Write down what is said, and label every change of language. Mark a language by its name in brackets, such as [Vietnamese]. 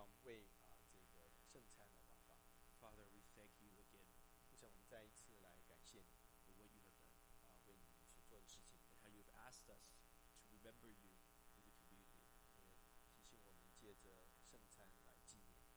[Chinese] 我们为这个圣餐来祷告。 [English] Father, we thank you again. [Chinese] 我想我们再一次来感谢你 [English] for what you have done. [Chinese] 为你所做的事情 [English] ，and how you have asked us to remember you in the community. [Chinese] 也提醒我们借着圣餐来纪念。